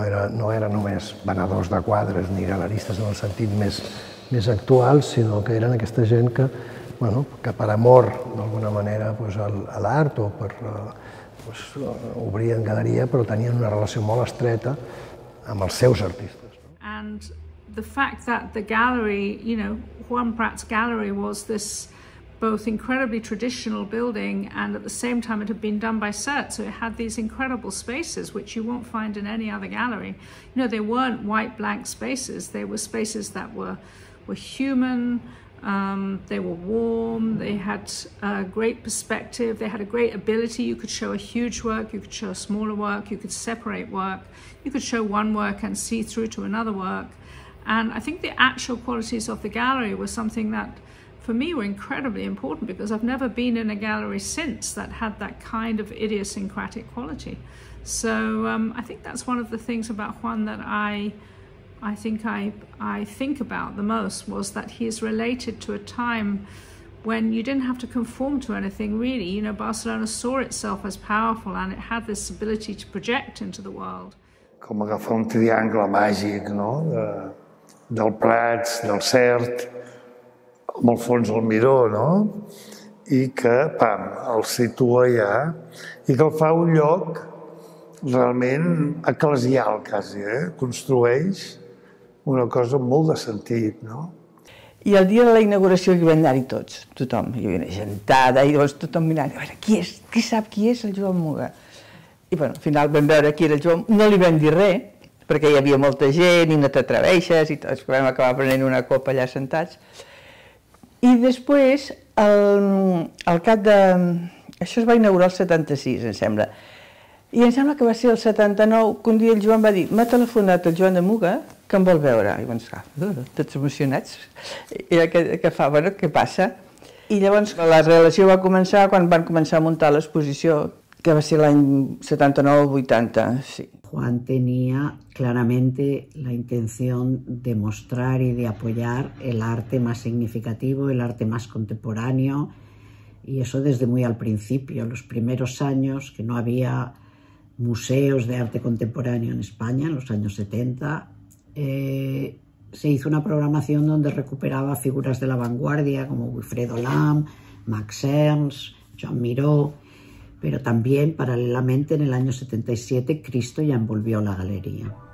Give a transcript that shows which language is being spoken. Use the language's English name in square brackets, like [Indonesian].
[Catalan] No era només venedors de quadres ni galeristes en el sentit més actual, sinó que eren aquesta gent que, bueno, que per amor, d'alguna manera, doncs, a l'art, o per, doncs, obrien galeria, però tenien una relació molt estreta amb els seus artistes. [English] The fact that the gallery, you know, Juan Prats gallery was this both incredibly traditional building and at the same time it had been done by Sert, so it had these incredible spaces which you won't find in any other gallery. You know, they weren't white blank spaces, they were spaces that were human, they were warm, they had a great perspective, they had a great ability. You could show a huge work, you could show a smaller work, you could separate work, you could show one work and see through to another work. And I think the actual qualities of the gallery were something that, for me, were incredibly important, because I've never been in a gallery since that had that kind of idiosyncratic quality. So I think that's one of the things about Juan that I think about the most, was that he is related to a time when you didn't have to conform to anything, really. You know, Barcelona saw itself as powerful and it had this ability to project into the world. [Catalan] Com agafar un triangle màgic, no? Del Prats, del Cert, amb el fons del Miró, no? I que, pam, el situa ja, i que el fa un lloc realment eclesial, quasi, eh? Construeix una cosa molt de sentit, no? I el dia de la inauguració hi van anar-hi tots, tothom, hi havia una gentada, i llavors tothom mirant, a veure, qui és, qui sap qui és el Joan Muga? I, bueno, al final vam veure qui era el Joan, no li vam dir res, perquè hi havia molta gent i no t'atreveixes i tots vam acabar prenent una copa allà sentats. I després, al cap de... Això es va inaugurar el 76, em sembla. I em sembla que va ser el 79, que un dia el Joan va dir, m'ha telefonat el Joan de Muga, que em vol veure. I llavors, tots emocionats. I què fa? Bueno, què passa? I llavors la relació va començar quan van començar a muntar l'exposició, que va ser l'any 79-80, sí. [Spanish] Juan tenía claramente la intención de mostrar y de apoyar el arte más significativo, el arte más contemporáneo, y eso desde muy al principio, los primeros años que no había museos de arte contemporáneo en España, en los años 70, se hizo una programación donde recuperaba figuras de la vanguardia como Wilfredo Lam, Max Ernst, Joan Miró, pero también paralelamente en el año 77 Cristo ya envolvió la galería.